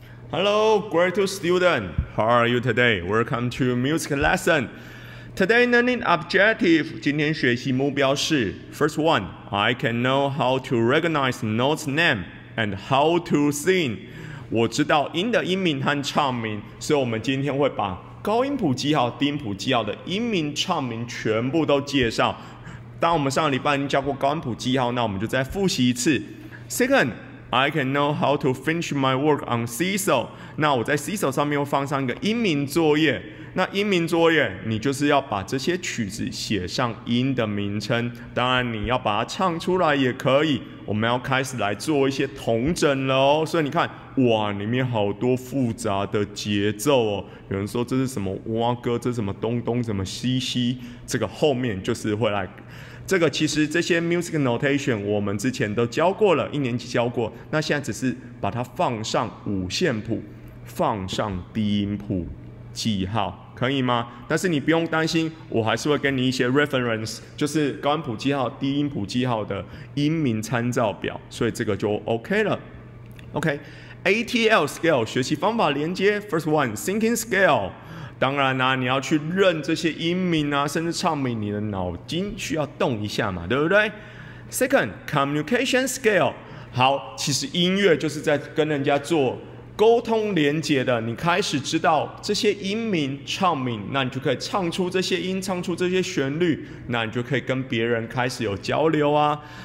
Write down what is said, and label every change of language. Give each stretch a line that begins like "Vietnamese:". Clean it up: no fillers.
English: ！Hello, graduate student, how are you today? Welcome to music lesson. Today learning objective.
Chinese: 今天学习目标是
English: first one. I can know how to recognize notes name and how to sing.
Chinese: 我知道音的音名和唱名，所以我们今天会把高音谱记号、低音谱记号的音名、唱名全部都介绍。当我们上个礼拜已经教过高音谱记号，那我们就再复习一次。
English: Second. I can know how to finish my work on CISO.
Chinese: 那我在 CISO 上面又放上一个音名作业。那音名作业，你就是要把这些曲子写上音的名称，当然你要把它唱出来也可以。我们要开始来做一些统整了哦。所以你看，哇，里面好多复杂的节奏哦。有人说这是什么蛙歌，这是什么咚咚，什么西西，这个后面就是会来。这个其实这些 music notation 我们之前都教过了，一年级教过。那现在只是把它放上五线谱，放上低音谱记号，可以吗？但是你不用担心，我还是会给你一些 reference， 就是高音谱记号、低音谱记号的音名参照表，所以这个就 OK 了。 OK，
English: ATL scale
Chinese: 学习方法连接 ，
English: first one thinking scale。
Chinese: 当然啦、你要去认这些音名啊，甚至唱名，你的脑筋需要动一下嘛，对不对 ？
English: Second communication scale，
Chinese: 好，其实音乐就是在跟人家做沟通连接的。你开始知道这些音名、唱名，那你就可以唱出这些音，唱出这些旋律，那你就可以跟别人开始有交流啊。